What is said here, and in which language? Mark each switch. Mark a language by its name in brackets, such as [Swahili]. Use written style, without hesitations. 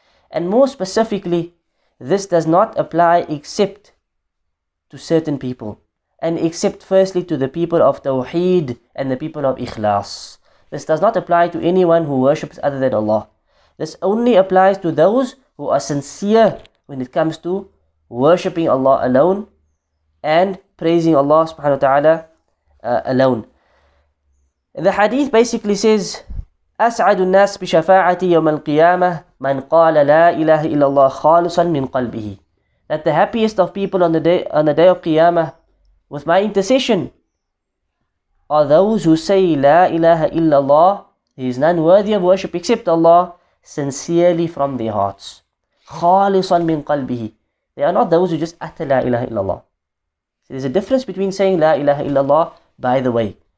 [English] And more specifically, this does not apply except to certain people, and except firstly to the people of Tawheed and the people of Ikhlas. This does not apply to anyone who worships other than Allah. This only applies to those who are sincere when it comes to worshipping Allah alone and praising Allah subhanahu wa ta'ala alone. The hadith basically says, [Arabic] أسعد الناس بشفاعتي يوم القيامة من قال لا إله إلا الله خالصا من قلبه. [English] That the happiest of people on the day of Qiyamah with my intercession are those who say [Arabic] لا إله إلا الله, [English] he is none worthy of worship except Allah, sincerely from their hearts. [Arabic] خالصا من قلبه. [English] They are not those who just utter [Arabic] لا إله إلا الله. [English] So there's a difference between saying لا إله إلا الله by the way.